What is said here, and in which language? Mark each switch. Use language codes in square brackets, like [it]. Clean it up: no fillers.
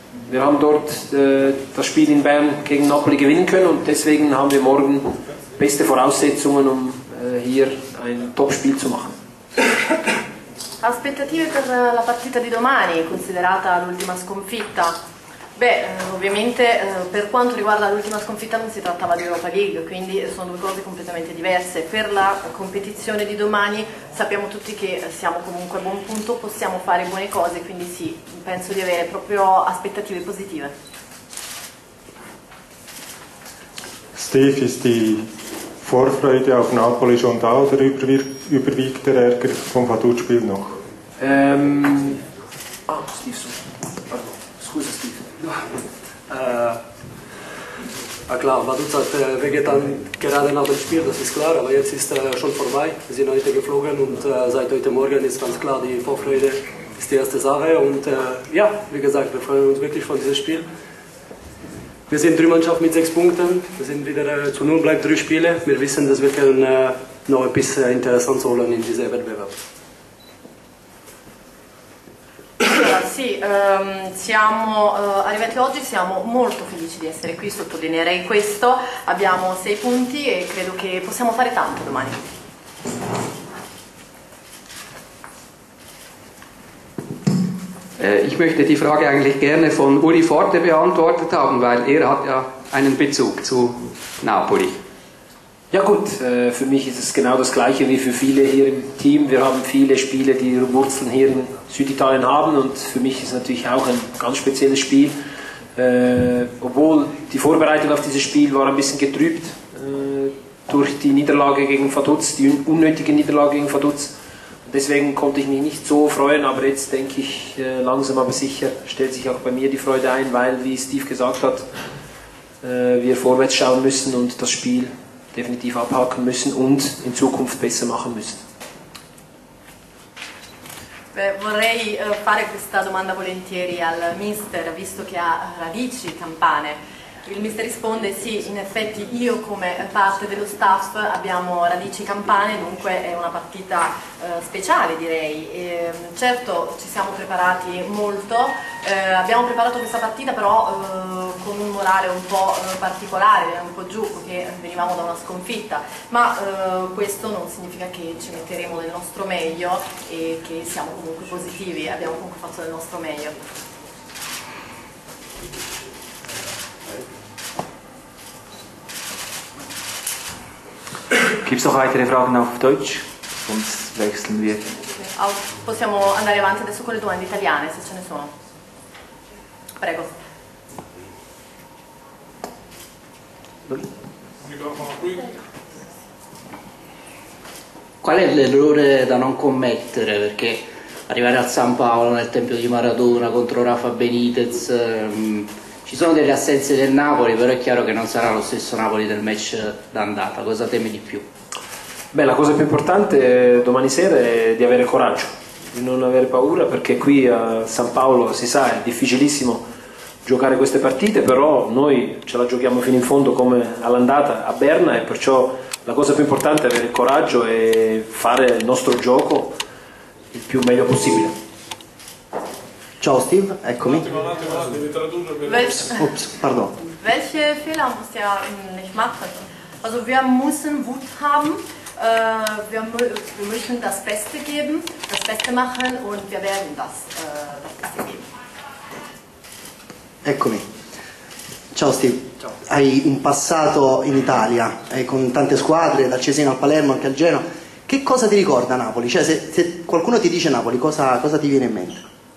[de] Wir haben dort das Spiel in Bern gegen Napoli gewinnen können und deswegen haben wir morgen beste Voraussetzungen, um hier ein Top-Spiel zu machen. [it] Aspettative per la partita di domani, considerata l'ultima sconfitta? Beh, ovviamente per quanto riguarda l'ultima sconfitta non si trattava di Europa League, quindi sono due cose completamente diverse. Per la competizione di domani sappiamo tutti che siamo comunque a buon punto, possiamo fare buone cose, quindi sì, penso di avere proprio aspettative positive. [de] Steve, ist die Vorfreude auf Napoli schon da oder überwiegt der Ärger vom Vaduz-Spiel noch? Klar, Vaduz hat Vegetan gerade nach dem Spiel, das ist klar, aber jetzt ist schon vorbei. Wir sind heute geflogen und seit heute Morgen ist ganz klar, die Vorfreude ist die erste Sache. Und ja, wie gesagt, wir freuen uns wirklich von diesem Spiel. Wir sind drei Mannschaft mit 6 Punkten, wir sind wieder zu null, bleibt 3 Spiele. Wir wissen, dass wir können noch etwas interessant holen in diesem Wettbewerb. [it] Sì, arrivati oggi, siamo molto felici di essere qui, sottolineerei questo, abbiamo 6 punti e credo che possiamo fare tanto domani. [de] Ich möchte die Frage eigentlich gerne von Uri Forte beantwortet haben, weil hat ja einen Bezug zu Napoli. Ja gut, für mich ist es genau das Gleiche wie für viele hier im Team. Wir haben viele Spiele, die ihre Wurzeln hier in Süditalien haben und für mich ist es natürlich auch ein ganz spezielles Spiel. Obwohl die Vorbereitung auf dieses Spiel war ein bisschen getrübt durch die Niederlage gegen Vaduz, die unnötige Niederlage gegen Vaduz. Deswegen konnte ich mich nicht so freuen, aber jetzt denke ich, langsam aber sicher stellt sich auch bei mir die Freude ein, weil, wie Steve gesagt hat, wir vorwärts schauen müssen und das Spiel definitiv abhaken müssen und in Zukunft besser machen müssen. [it] Beh, vorrei fare questa domanda volentieri al mister, visto che ha radici campane. Il mister risponde: sì, in effetti io come parte dello staff abbiamo radici campane, dunque è una partita speciale, direi. E, certo, ci siamo preparati molto, abbiamo preparato questa partita però con un morale un po' particolare, un po' giù, perché venivamo da una sconfitta, ma questo non significa che ci metteremo del nostro meglio e che siamo comunque positivi, abbiamo comunque fatto del nostro meglio. [de] Gibt es noch weitere Fragen auf Deutsch? Sonst wechseln wir. [it] Possiamo andare avanti adesso con le domande italiane, se ce ne sono. Prego. Qual è l'errore da non commettere? Perché arrivare a San Paolo nel tempio di Maradona contro Rafa Benitez. Ci sono delle assenze del Napoli, però è chiaro che non sarà lo stesso Napoli del match d'andata. Cosa temi di più? Beh, la cosa più importante domani sera è di avere coraggio, di non avere paura, perché qui a San Paolo, si sa, è difficilissimo giocare queste partite, però noi ce la giochiamo fino in fondo come all'andata a Berna, e perciò la cosa più importante è avere coraggio e fare il nostro gioco il più meglio possibile. Ciao Steve, eccomi. [de] Welche Fehler muss er nicht machen? Also wir müssen Wut haben, wir müssen das Beste geben, das Beste machen und wir werden das Beste geben. [it] Eccomi. Ciao Steve. Ciao. Hai un passato in Italia, hai con tante squadre, dal Cesena al Palermo anche al Genoa. Che cosa ti ricorda Napoli? Cioè, se qualcuno ti dice Napoli, cosa ti viene in mente?